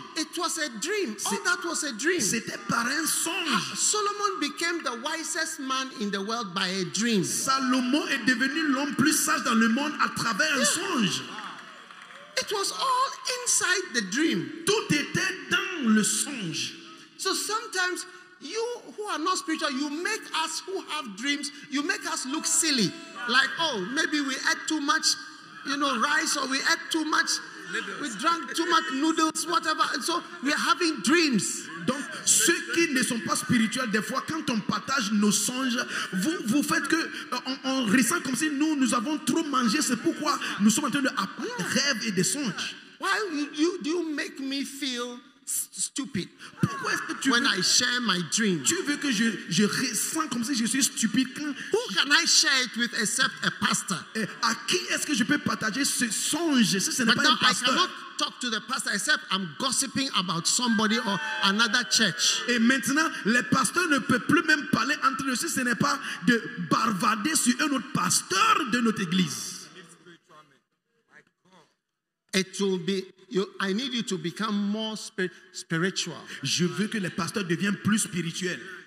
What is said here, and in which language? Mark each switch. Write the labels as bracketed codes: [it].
[en] It was a dream. All that was a dream. [fr] C'était par un songe. [en] Solomon became the wisest man in the world by a dream. [fr] Salomon est devenu l'homme plus sage dans le monde à travers un songe. [en] It was all inside the dream. [fr] Tout était dans le songe. [en] So sometimes you who are not spiritual, you make us who have dreams, you make us look silly. Like, oh, maybe we ate too much, you know, rice, or we ate too much, noodles. We drank too much noodles, whatever. And so we are having dreams. [fr] Donc, ceux qui ne sont pas spirituels, des fois, quand on partage nos songes, vous faites que on ressent comme si nous avons trop mangé. C'est pourquoi nous sommes en train de rêver et des songes. [en] Why do you make me feel stupid? [fr] Pourquoi est-ce que tu [en] when [fr] veux, [en] I share my dream, [fr] tu veux que je ressens comme si je suis stupide quand [en] who can I share it with except a pastor? [fr] À qui est-ce que je peux partager ce songe si ce n'est [en] but [fr] pas un pasteur? [en] I cannot talk to the pastor except I'm gossiping about somebody or another church. [fr] Et maintenant, le pasteur ne peut plus même parler entre eux si ce n'est pas de bavarder sur un autre pasteur de notre église. [en] It will be. I need you to become more spiritual. [fr] Je veux que les pasteurs deviennent plus spirituels.